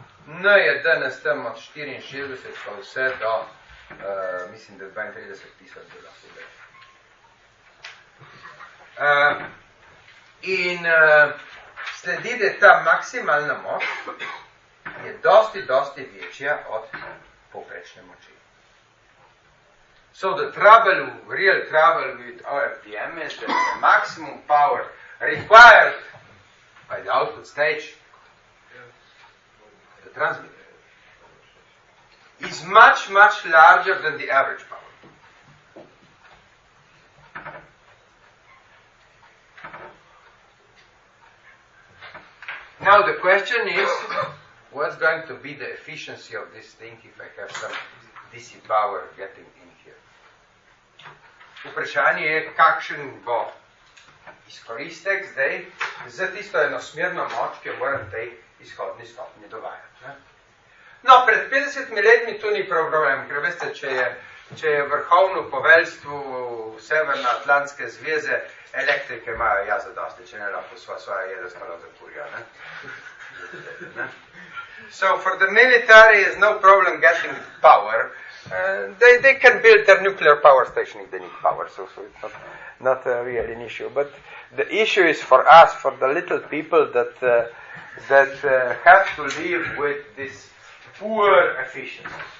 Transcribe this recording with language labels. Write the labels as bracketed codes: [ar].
[sl] N je danes tam od 64 pa vse do, mislim, da 32 tisoč bi lahko bilo. In sledi, da ta maksimalna moč je dosti, dosti večja od povprečne moči. [en] So the trouble, real trouble with OFDM is that the maximum power required by the output stage, the transmitter, is much, much larger than the average power. Now the question is, what's going to be the efficiency of this thing if I have some DC power getting in here? [sl] Vprašanje je, kakšen bo izkoristek zdaj za tisto enosmerno moč, ki jo moram tej izhodni stopnji dovajati. Ne? No, pred 50 letmi to ni prav problem, ker veste, če je vrhovno poveljstvo Severnoatlantske zveze, elektrike imajo jaz zadosti, če ne lahko svoja jedostalo zakurijo. Ne? [en] So, for the military is no problem getting power. They can build their nuclear power station if they need power, so it's not really an issue. But the issue is for us, for the little people that have to live with this poor efficiency.